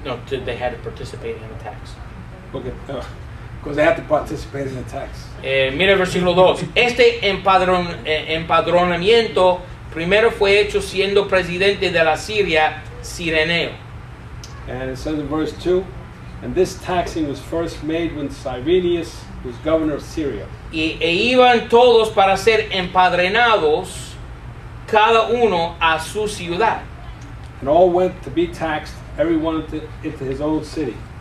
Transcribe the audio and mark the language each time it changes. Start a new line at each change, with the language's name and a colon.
English: They had to participate in the tax. Because they had to participate in the tax.
Spanish: Mira el versículo 2. Este empadronamiento primero fue hecho siendo presidente de la Siria, Cireneo.
English: And it says in verse 2, and this taxing was first made when Cyrenius was governor of Syria.
Spanish: Y iban todos para ser empadronados, cada uno a su ciudad.
English: And all went to be taxed, everyone into his own city.